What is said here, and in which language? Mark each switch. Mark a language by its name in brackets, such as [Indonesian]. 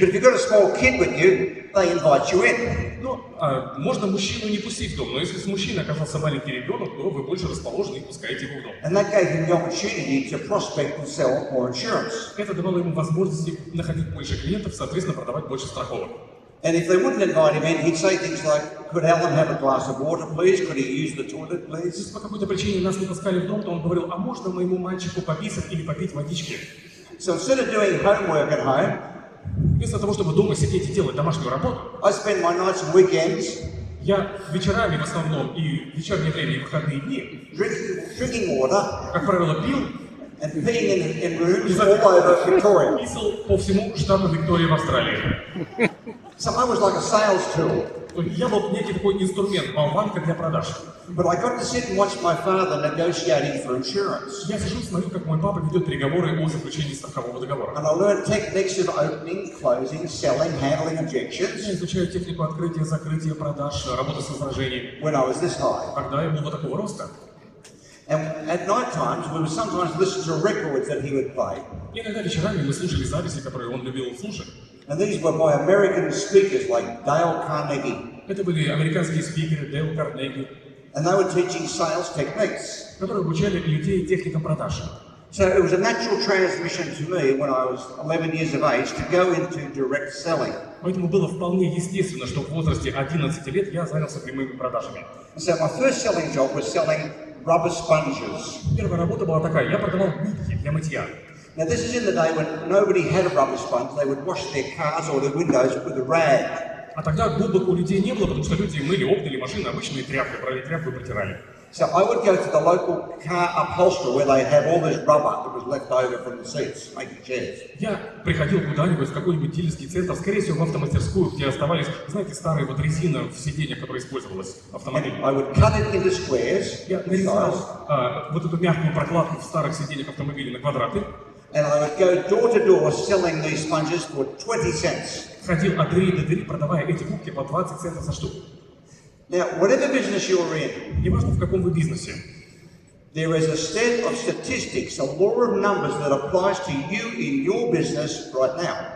[English] But if you've got a small kid with you, they invite you in. [Russian] Ну, можно мужчину не пустить в дом, но если с мужчиной оказался маленький ребенок, то вы больше расположены и пускаете его в дом. [English] And that gave him the opportunity to prospect and sell more insurance. [Russian] Это давало ему возможности находить больше клиентов, соответственно, продавать больше страховок. [English] And if they wouldn't invite him in, he'd say things like, "Could Alan have a glass of water, please? Could he use the toilet, please?" [Russian] По какой-то причине нас не пускали в дом, то он говорил, а можно моему мальчику пописать или попить водички? [English] So instead of doing homework at home, [Russian] вместо того чтобы дома сидеть и делать домашнюю работу, [English] I spend my nights and weekends. [Russian] Я вечерами в основном и вечернее время и выходные дни. [English] Drinking water. [Russian] Как правило, пил. [English] And peeing in rooms all over Victoria. [Russian] Писал по всему штату Виктория в Австралии. [English] So I was like a sales tool. [Russian] Я был некий такой инструмент, болванка для продаж. [English] But I got to sit and watch my father negotiating for insurance. [Russian] Я сижу, смотрю, как мой папа ведет переговоры о заключении страхового договора. [English] And I learned techniques of opening, closing, selling, handling objections. [Russian] Я изучаю технику открытия, закрытия, продаж, работы с возражениями. [English] When I was this high. [Russian] Когда я был вот такого роста. [English] And at night times, we would sometimes listen to records that he would play. [Russian] Иногда вечерами мы слушали записи, которые он любил слушать. [English] And these were by American speakers like Dale Carnegie. [Russian] Это были американские спикеры, Дейл Карнеги. [English] And they were teaching sales techniques. [Russian] Которые обучали людей техникам продаж. [English] So it was a natural transmission to me when I was 11 years of age to go into direct selling. [Russian] Поэтому было вполне естественно, что в возрасте 11 лет я занялся прямыми продажами. [English] So my first selling job was selling rubber sponges. [Russian] Первая работа была такая, я продавал губки для мытья. [English] Now this is in the day when nobody had a rubber sponge. They would wash their cars or their windows with a rag. [Russian] А тогда губок у людей не было, потому что люди мыли окна или машины обычной тряпкой, брали тряпку и протирали. [English] So I would go to the local car upholsterer where they have all this rubber that was left over from the seats, making chairs. [Russian] Я приходил куда-нибудь в какой-нибудь дилерский центр, скорее всего, в автомастерскую, где оставались, знаете, старые вот резина в сиденье, которое использовалось в автомобиле. [English] I would cut it into squares. [Russian] Я нарезал вот эту мягкую прокладку в старых сиденьях автомобиля на квадраты. [English] And I would go door to door selling these sponges for 20 cents. [Russian] Ходил от двери до двери, продавая эти губки по 20 центов за штуку. [English] Now, whatever business you are in, [Russian] неважно, в каком вы бизнесе, [English] there is a set of statistics, a law of numbers that applies to you in your business right now.